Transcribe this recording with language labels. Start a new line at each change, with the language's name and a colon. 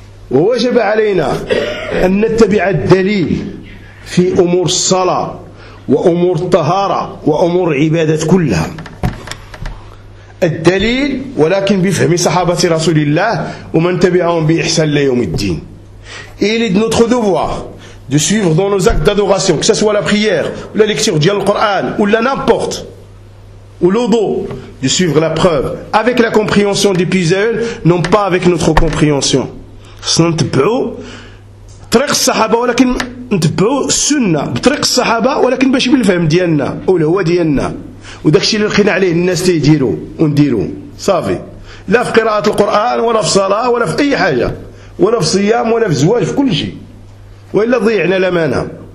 Arabic: وجب علينا أن نتبع الدليل في أمور الصلاة وأمور الطهارة وأمور عبادة كلها. الدليل ولكن بفهم صحابة رسول الله ومن تبعهم بإحسان ليوم الدين.
French: Il est de notre devoir de suivre dans nos actes d'adoration, que ce soit la prière, ou la lecture du Coran, ou la n'importe, ou l'odo, de suivre la preuve avec la compréhension des pisaïl, non pas avec notre compréhension.
Arabic: سنتبعو طريق الصحابة ولكن نتبعو السنة بطريق الصحابة ولكن باش بالفهم ديالنا أو هو ديالنا وداك الشيء اللي لقينا عليه الناس تيديروا ونديروا صافي. لا في قراءة القرآن ولا في صلاة ولا في أي حاجة ولا في صيام ولا في زواج في كل شيء وإلا ضيعنا الأمانة.